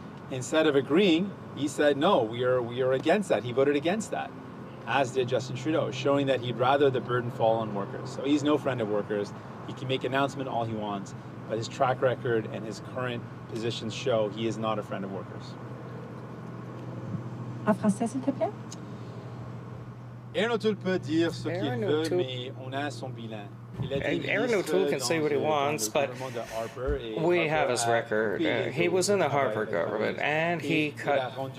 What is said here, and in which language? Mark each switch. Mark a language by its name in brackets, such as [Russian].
[English] Instead of agreeing, he said, no, we are against that. He voted against that, as did Justin Trudeau, showing that he'd rather the burden fall on workers. So he's no friend of workers. He can make announcements all he wants, but his track record and his current positions show he is not a friend of workers. [French] En français, s'il te plaît. Aaron O'Toole peut dire ce qu'il veut, mais on a son bilan. [English] Aaron O'Toole can say what he wants, but we have his record. He was in the Harper government, and he cut.